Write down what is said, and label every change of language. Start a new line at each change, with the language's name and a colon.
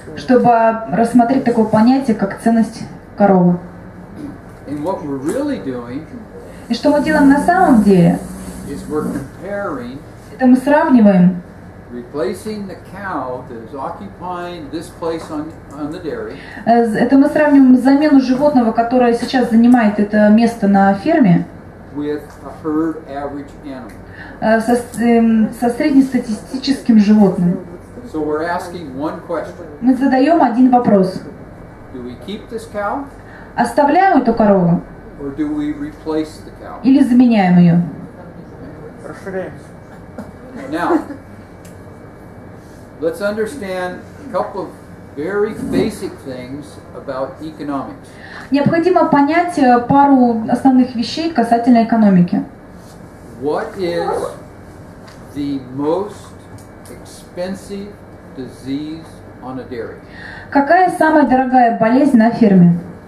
Russian: Чтобы рассмотреть такое понятие, как ценность коровы.
English: And what we're really doing,
Russian: и что мы делаем на самом деле,
English: is we're comparing,
Russian: это мы сравниваем
English: replacing the cow that is occupying this place on the dairy,
Russian: это мы сравниваем замену животного, которое сейчас занимает это место на ферме,
English: with a herd average animal.
Russian: Со среднестатистическим животным.
English: So we're asking one question.
Russian: Мы задаем один вопрос.
English: Do we keep this cow?
Russian: Оставляем эту корову?
English: Or do we replace the cow?
Russian: Или заменяем ее? Расширяемся.
English: Now, let's understand a couple of very basic things about economics.
Russian: Необходимо понять пару основных вещей касательно экономики.
English: What is the most expensive disease on a dairy?
Russian: Какая самая дорогая болезнь на ферме?